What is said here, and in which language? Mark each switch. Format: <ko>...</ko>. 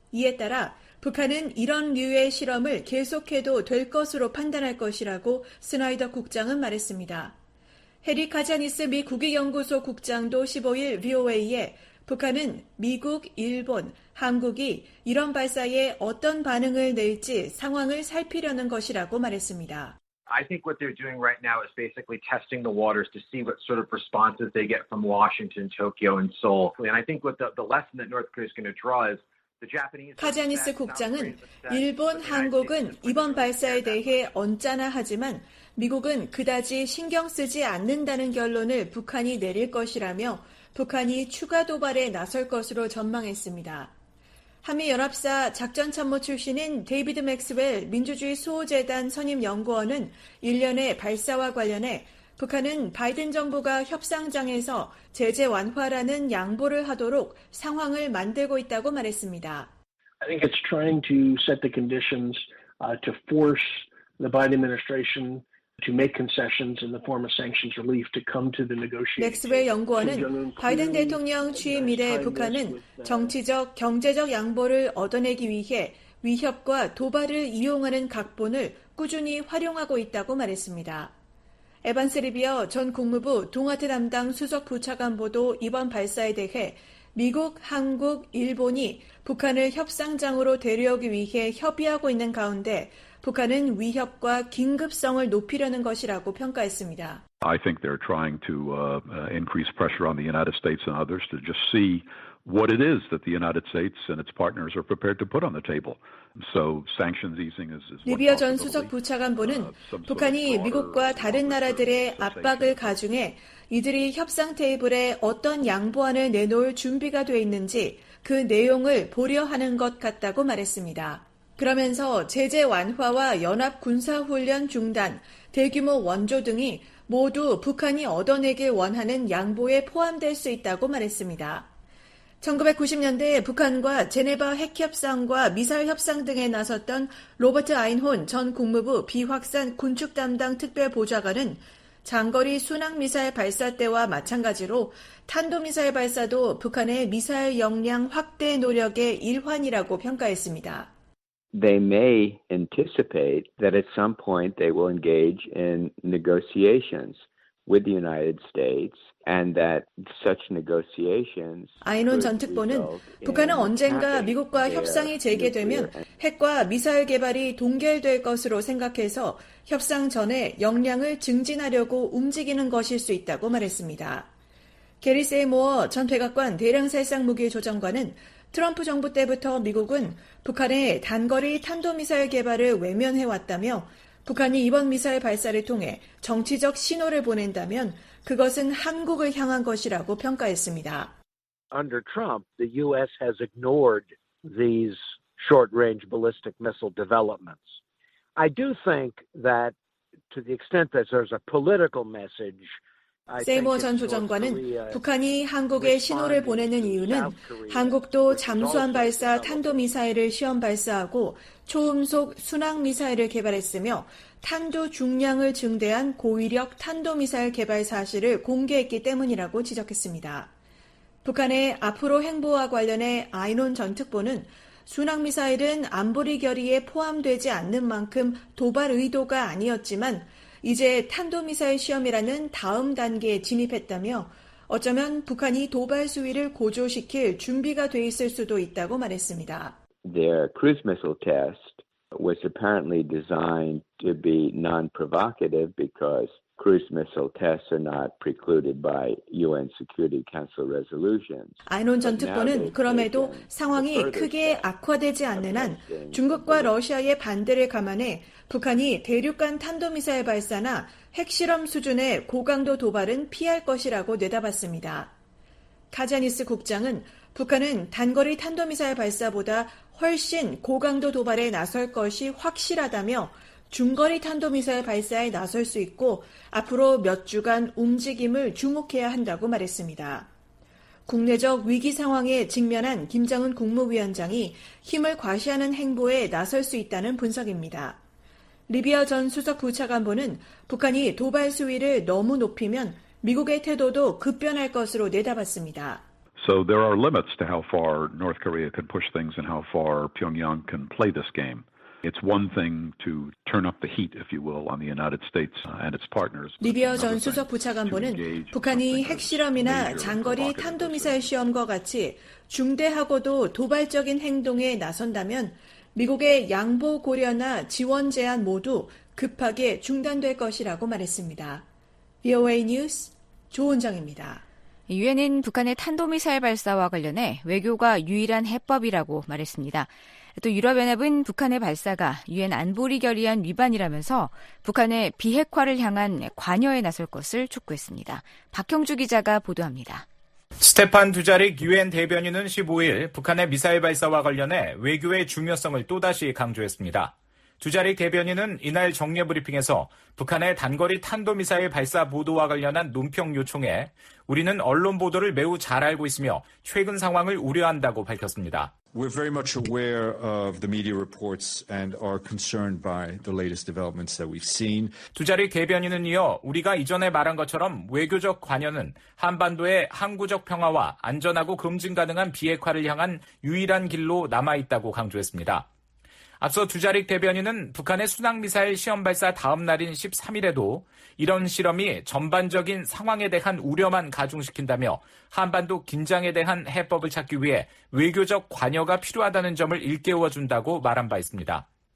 <ko>이에 따라 북한은 이런 류의 실험을 계속해도 될 것으로 판단할 것이라고 스나이더 국장은 말했습니다. 해리 카자니스 미 국익연구소 국장도 15일 VOA에 북한은 미국, 일본, 한국이 이런 발사에 어떤 반응을 낼지 상황을 살피려는 것이라고 말했습니다.</ko> <en>I think what they're doing right now is basically testing the waters to see what sort of responses they get from Washington, Tokyo, and Seoul. And I think what the lesson that North Korea is going to draw is</en> <ko>카자니스 국장은 일본, 한국은 이번 발사에 대해 언짢아 하지만 미국은 그다지 신경 쓰지 않는다는 결론을 북한이 내릴 것이라며 북한이 추가 도발에 나설 것으로 전망했습니다. 한미연합사 작전참모 출신인 데이비드 맥스웰 민주주의 수호재단 선임연구원은 일련의 발사와 관련해 북한은 바이든 정부가 협상장에서 제재 완화라는 양보를 하도록 상황을 만들고 있다고 말했습니다.</ko> <en>I think it's trying to set the conditions to force the Biden administration to make concessions in the form of sanctions relief to come to the negotiation.</en> <ko>맥스웰 연구원은 바이든 대통령 취임 이래 북한은 정치적, 경제적 양보를 얻어내기 위해 위협과 도발을 이용하는 각본을 꾸준히 활용하고 있다고 말했습니다. 에반스 리비어 전 국무부 동아태 담당 수석 부차관 보도 이번 발사에 대해 미국, 한국, 일본이 북한을 협상장으로 데려오기 위해 협의하고 있는 가운데 북한은 위협과 긴급성을 높이려는 것이라고 평가했습니다.</ko> <en>I think they're trying to increase pressure on the United States and others to just see what it is that the United States and its partners are prepared to put on the table. So sanctions easing is one.</en> <ko>리비어 전 수석 부차관보는 북한이 미국과 다른 나라들의 압박을 가중해 이들이 협상 테이블에 어떤 양보안을 내놓을 준비가 돼 있는지 그 내용을 보려하는 것 같다고 말했습니다. 그러면서 제재 완화와 연합 군사훈련 중단, 대규모 원조 등이 모두 북한이 얻어내길 원하는 양보에 포함될 수 있다고 말했습니다. 1990년대에 북한과 제네바 핵협상과 미사일 협상 등에 나섰던 로버트 아인혼 전 국무부 비확산 군축 담당 특별보좌관은 장거리 순항미사일 발사 때와 마찬가지로 탄도미사일 발사도 북한의 미사일 역량 확대 노력의 일환이라고 평가했습니다.</ko> <en>They may anticipate that at some point they will engage in negotiations with the United States and that such negotiations</en> <ko>아인혼 전 특보는 북한은 언젠가 미국과 협상이 재개되면 핵과 미사일 개발이 동결될 것으로 생각해서 협상 전에 역량을 증진하려고 움직이는 것일 수 있다고 말했습니다. 게리 세이모어 전 백악관 대량살상 무기 조정관은 트럼프 정부 때부터 미국은 북한의 단거리 탄도미사일 개발을 외면해왔다며 북한이 이번 미사일 발사를 통해 정치적 신호를 보낸다면 그것은 한국을 향한 것이라고 평가했습니다.</ko> <en>Under Trump, the U.S. has ignored these short-range ballistic missile developments. I do think that to the extent that there's a political message</en> <ko>세이머 전 조정관은 북한이 한국에 신호를 보내는 이유는 한국도 잠수함 발사 탄도미사일을 시험 발사하고 초음속 순항미사일을 개발했으며 탄도 중량을 증대한 고위력 탄도미사일 개발 사실을 공개했기 때문이라고 지적했습니다. 북한의 앞으로 행보와 관련해 아인혼 전 특보는 순항미사일은 안보리 결의에 포함되지 않는 만큼 도발 의도가 아니었지만 이제 탄도미사일 시험이라는 다음 단계에 진입했다며 어쩌면 북한이 도발 수위를 고조시킬 준비가 돼 있을 수도 있다고 말했습니다.</ko> <en>Their cruise missile test was apparently designed to be non-provocative because cruise missile tests are not precluded by UN Security Council resolutions.</en> <ko>아인혼 전 특보는 그럼에도 상황이 크게 악화되지 않는 한 중국과 러시아의 반대를 감안해 북한이 대륙간 탄도미사일 발사나 핵실험 수준의 고강도 도발은 피할 것이라고 내다봤습니다. 카자니스 국장은 북한은 단거리 탄도미사일 발사보다 훨씬 고강도 도발에 나설 것이 확실하다며 중거리 탄도미사일 발사에 나설 수 있고 앞으로 몇 주간 움직임을 주목해야 한다고 말했습니다. 국내적 위기 상황에 직면한 김정은 국무위원장이 힘을 과시하는 행보에 나설 수 있다는 분석입니다. 리비아 전 수석 부차관보는 북한이 도발 수위를 너무 높이면 미국의 태도도 급변할 것으로 내다봤습니다.</ko> <en>So there are limits to how far North Korea can push things and how far Pyongyang can play this game. It's one thing to turn up the heat, if you will, on the United States and its partners.</en> <ko>리비아 전 수석 부차관보는 북한이 핵실험이나 장거리 탄도미사일 시험과 같이 중대하고도 도발적인 행동에 나선다면 미국의 양보 고려나 지원 제한 모두 급하게 중단될 것이라고 말했습니다. VOA 뉴스 조은정입니다. 유엔은 북한의 탄도미사일 발사와 관련해 외교가 유일한 해법이라고 말했습니다. 또 유럽연합은 북한의 발사가 유엔 안보리 결의안 위반이라면서 북한의 비핵화를 향한 관여에 나설 것을 촉구했습니다. 박형주 기자가 보도합니다. 스테판 두자릭 유엔 대변인은 15일 북한의 미사일 발사와 관련해 외교의 중요성을 또다시 강조했습니다. 두자릭 대변인은 이날 정례 브리핑에서 북한의 단거리 탄도미사일 발사 보도와 관련한 논평 요청에 우리는 언론 보도를 매우 잘 알고 있으며 최근 상황을 우려한다고 밝혔습니다.</ko> <en>We're very much aware of the media reports and are concerned by the latest developments that we've seen.</en> <ko>두자리 개변인은 이어 우리가 이전에 말한 것처럼 외교적 관여는 한반도의 항구적 평화와 안전하고 검증 가능한 비핵화를 향한 유일한 길로 남아있다고 강조했습니다. 앞서 두자릭 대변인은 북한의 순항미사일 시험 발사 다음 날인 13일에도 이런 실험이 전반적인 상황에 대한 우려만 가중시킨다며 한반도 긴장에 대한 해법을 찾기 위해 외교적 관여가 필요하다는 점을 일깨워준다고 말한 바 있습니다.</ko>